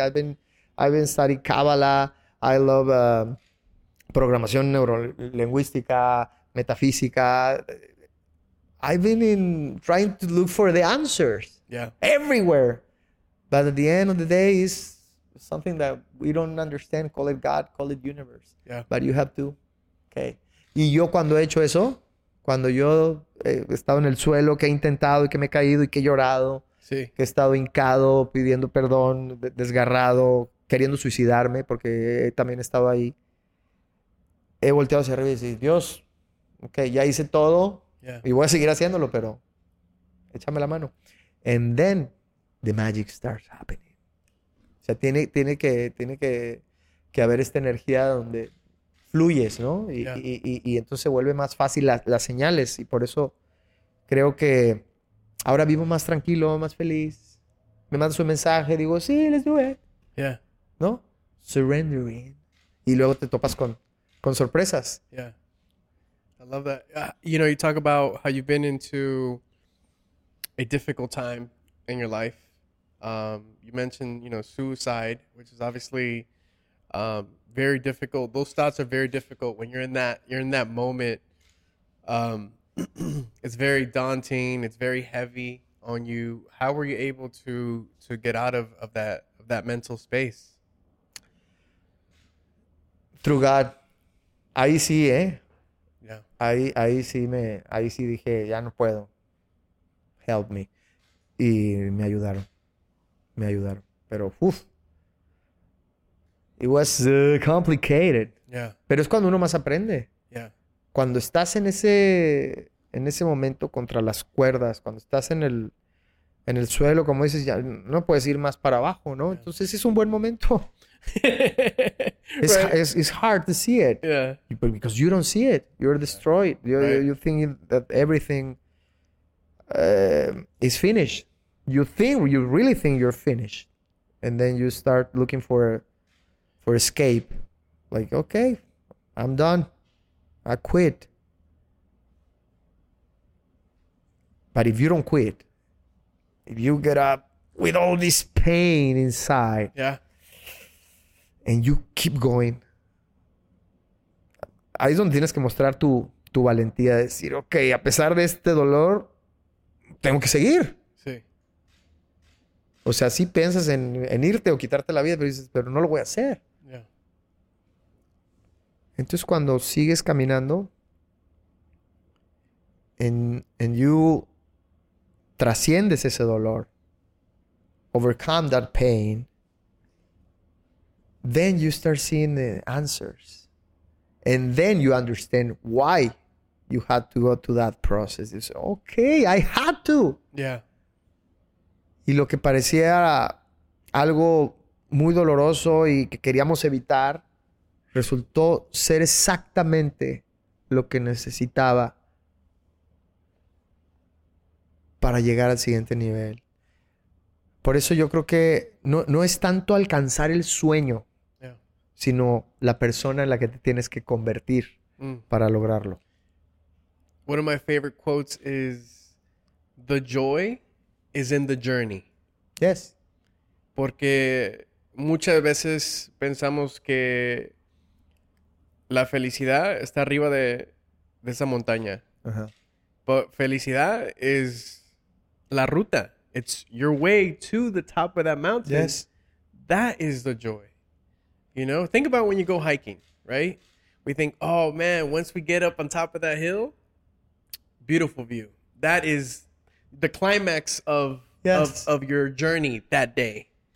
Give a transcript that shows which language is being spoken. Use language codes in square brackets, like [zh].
[en] I've been studying Kabbalah. I love [es] programación neurolingüística, metafísica. [en] I've been in trying to look for the answers everywhere. But at the end of the day, it's something that we don't understand. Call it God, call it universe. Yeah. But you have to. Okay. [es] Y yo cuando he hecho eso, cuando yo he estado en el suelo, que he intentado y que me he caído y que he llorado, sí. Que he estado hincado, pidiendo perdón, desgarrado, queriendo suicidarme porque he también estado ahí. He volteado hacia arriba y decir, Dios, okay, ya hice todo. [en] Yeah. [es] Y voy a seguir haciéndolo, pero échame la mano. [en] And then the magic starts happening. [es] O sea, tiene que haber esta energía donde fluyes, ¿no? Y entonces se vuelve más fácil las señales. Y por eso creo que ahora vivo más tranquilo, más feliz. Me mandas un mensaje, digo, sí, [en] let's do it. Yeah. [es] ¿No? [en] Surrendering. [es] Y luego te topas con sorpresas. [en] Yeah. I love that. You know, you talk about how you've been into a difficult time in your life. You mentioned, you know, suicide, which is obviously very difficult. Those thoughts are very difficult when you're in that moment. It's very daunting. It's very heavy on you. How were you able to get out of that mental space? Through God. I see, [es] eh? Ahí sí dije, ya no puedo. [en] Help me. [es] Y me ayudaron. Pero, uff. [en] It was complicated. Yeah. [es] Pero es cuando uno más aprende. [en] Yeah. [es] Cuando estás en ese momento contra las cuerdas, cuando estás en el suelo, como dices, ya no puedes ir más para abajo, ¿no? Yeah. Entonces es un buen momento. [en] It's hard to see it. Yeah. But because you don't see it, you're destroyed. Yeah. You think that everything is finished. You really think you're finished. And then you start looking for escape. Like, okay, I'm done. I quit. But if you don't quit, if you get up with all this pain inside, yeah, and you keep going, [es] ahí es donde tienes que mostrar tu valentía de decir, okay, a pesar de este dolor, tengo que seguir. Sí. O sea, sí piensas en irte o quitarte la vida, pero dices, pero no lo voy a hacer. [en] Yeah. [es] Entonces, cuando sigues caminando, [en] and you [es] trasciendes ese dolor, [en] overcome that pain, then you start seeing the answers. And then you understand why you had to go to that process. It's okay, I had to. Yeah. [es] Y lo que parecía algo muy doloroso y que queríamos evitar, resultó ser exactamente lo que necesitaba para llegar al siguiente nivel. Por eso yo creo que no es tanto alcanzar el sueño, sino la persona en la que te tienes que convertir para lograrlo. [en] One of my favorite quotes is, "The joy is in the journey." Yes. [es] Porque muchas veces pensamos que la felicidad está arriba de esa montaña. Uh-huh. [en] But [es] felicidad [en] is [es] la ruta. [en] It's your way to the top of that mountain. Yes. That is the joy. You know, think about when you go hiking, right? We think, oh man, once we get up on top of that hill, beautiful view. That is the climax of, yes, of your journey that day.